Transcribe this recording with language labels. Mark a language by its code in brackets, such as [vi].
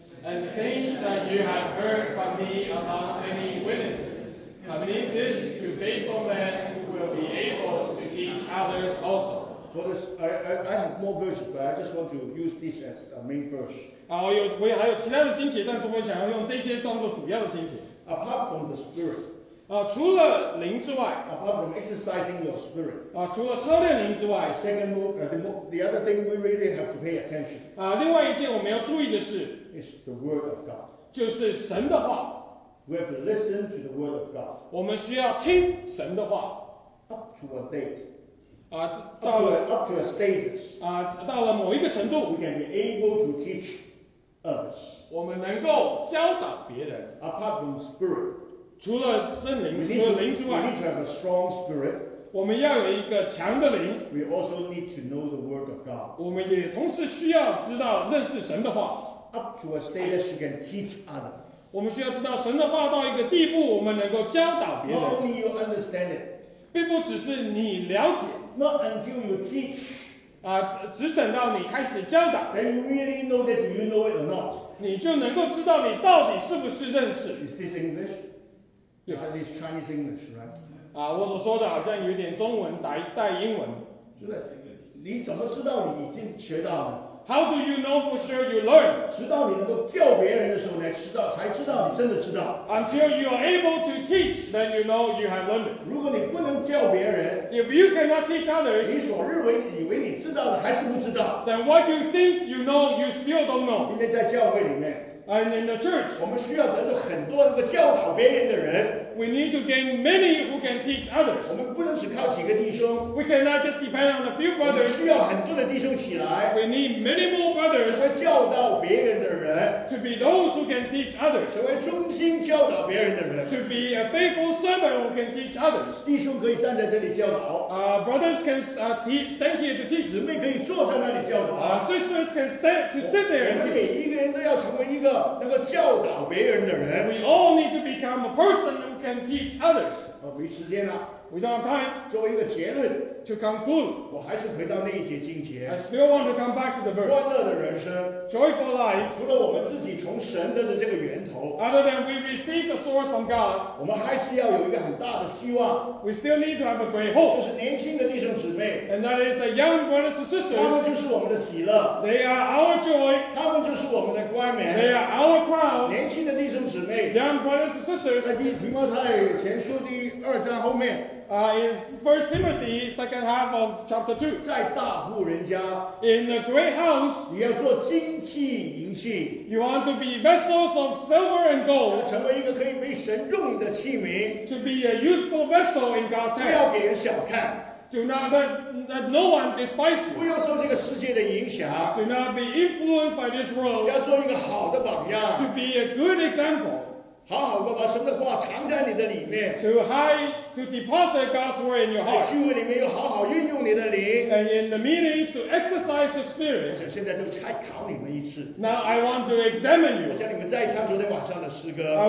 [en] And things that you have heard from me among many witnesses, commit this to faithful men who will be able to teach others also. Well, this, I have more verses, but I just want to use this as a main verse. [zh] 我还有其他的经节，但是我想要用这些当做主要的经节. [en] Apart from the Spirit, [zh] 除了灵之外, [en] apart from exercising your spirit, [zh] 除了操练灵之外, [en] the other thing we really have to pay attention, [zh] 另外一件我们要注意的是, [en] is the word of God. [zh] 就是神的话, [en] we have to listen to the word of God. [zh] 我们需要听神的话, [en] up to a date, [zh] 到了, [en] up to a status, [zh] 到了某一个程度, [en] we can be able to teach others. [zh] 我们能够教导别人, [en] apart from spirit, [zh] 除了圣灵，除了灵之外， [en] we need to have a strong spirit. [zh] 我们要有一个强的灵。 [en] We also need to know the word of God. [zh] 我们也同时需要知道认识神的话。 [en] Up to a status you can teach others. [zh] 我们需要知道神的话到一个地步，我们能够教导别人。 [en] Not only you understand it. [zh] 并不只是你了解。 [en] Not until you teach. [zh] 只等到你开始教导。 [en] Then you really know that you know it or not. [zh] 你就能够知道你到底是不是认识。 [en] Is this English? Yes. That is Chinese English, right? [zh] 我所说的好像有点中文带英文。你怎么知道你已经学到了？ [en] How do you know for sure you learn? [zh] 直到你能够教别人的时候才知道，才知道你真的知道。 [en] Until you are able to teach, then you know you have learned. [zh] 如果你不能教别人， [en] If you cannot teach others, [zh] 你所认为以为你知道的还是不知道。 [en] Then what you think you know, you still don't know. [zh] 因为在教会里面， [en] And in the church, [zh] 我们需要得到很多个教导别人的人。 [en] We need to gain many who can teach others. [zh] 我们不能只靠几个弟兄。 [en] We cannot just depend on a few brothers. [zh] 我们需要很多的弟兄起来。 [en] We need many more brothers. [zh] 成为教导别人的人。 [en] To be those who can teach others. [zh] 成为忠心教导别人的人。 [en] To be a faithful servant who can teach others. [zh] 弟兄可以站在这里教导。 [en] Brothers can stand here to teach. [zh] 姊妹可以坐在那里教导。 [en] Sisters can stand to sit there and teach. [zh] 我们每一个人都要成为一个能够教导别人的人。 [en] We all need to become a person who can teach others. [zh] 没时间了。 [en] We don't have time. [zh] 作为一个结论。 [en] To conclude. [zh] 我还是回到那一节经节。 [en] I still want to come back to the verse. [zh] 欢乐的人生。 [en] Joyful life. [zh] 除了我们自己从神的这个源头。 [en] Other than we receive the source from God. [zh] 我们还是要有一个很大的希望。 [en] We still need to have a great hope. [zh] 就是年轻的弟兄姊妹。 [en] And that is the young brothers and sisters. [zh] 他们就是我们的喜乐。 [en] They are our joy. [zh] 他们就是我们的冠冕。 [en] They are our crown. [zh] 年轻的弟兄姊妹。 [en] Young brothers and sisters. [zh] 在提摩太前书第二章后面。 [en] In 1 Timothy, second half of chapter 2. [zh] 在大户人家, [en] in the great house, [zh] 你要做金器银器, [en] you want to be vessels of silver and gold, [zh] 成为一个可以被神用的器皿, [en] to be a useful vessel in God's hand. [zh] 不要给人小看, [en] do not let no one despise you. [zh] 不要受这个世界的影响, [en] do not be influenced by this world. [zh] 要做一个好的榜样, [en] to be a good example. [zh] 好好地把神的话藏在你的里面。 [en] To hide, to deposit God's word in your heart. [zh] 在聚会里面要好好运用你的灵。 [en] And in the meetings, to exercise the spirit. [zh] 现在就拆考你们一次。 [en] Now I want to examine you. [zh] 我向你们再唱昨天晚上的诗歌。 [en] I